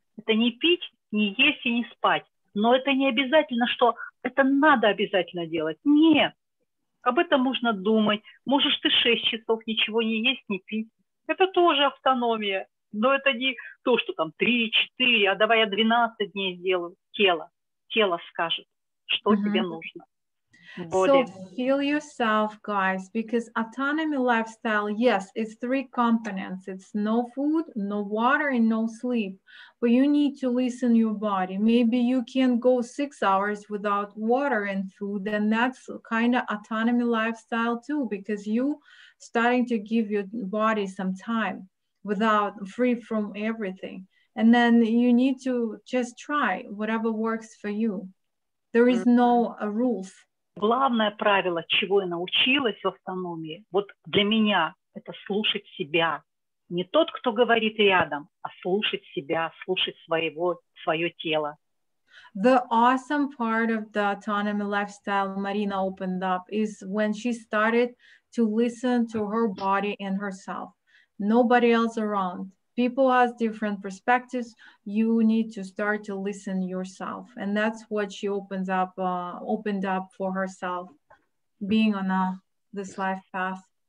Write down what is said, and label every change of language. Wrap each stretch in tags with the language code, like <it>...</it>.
<ru>Это не пить, не есть и не спать. Но это не обязательно, что это надо обязательно делать. Нет. Об этом можно думать. Можешь ты 6 часов ничего не есть, не пить. Это тоже автономия. Но это не то, что там 3-4, а давай я 12 дней сделаю. Тело скажет, что mm-hmm. тебе нужно.</ru> <en>Body. So feel yourself, guys, because autonomy lifestyle, yes, it's three components. It's no food, no water, and no sleep. But you need to listen to your body. Maybe you can go 6 hours without water and food, and that's kind of autonomy lifestyle too, because you starting to give your body some time without free from everything. And then you need to just try whatever works for you. There is no rules.</en> <ru>Главное правило, чего я научилась в автономии, вот для меня это слушать себя. Не тот, кто говорит рядом, а слушать себя, слушать свое тело.</ru> <en>The awesome part of the autonomy lifestyle Marina opened up is when she started to listen to her body and herself. Nobody else around. People have different perspectives. You need to start to listen yourself. And that's what she opened up for herself, being on this life path.</en>